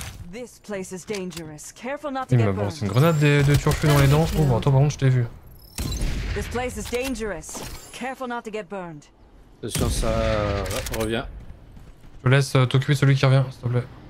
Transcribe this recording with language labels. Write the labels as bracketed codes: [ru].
[en] This place is dangerous. Careful not to get burned. [fr] C'est une grenade de turfu dans les dents. Oh, bon, attends, par contre, je t'ai vu. [en] This place is dangerous. Careful not to get burned. [fr] Attention, ça revient. Je laisse t'occuper celui qui revient, s'il te plaît.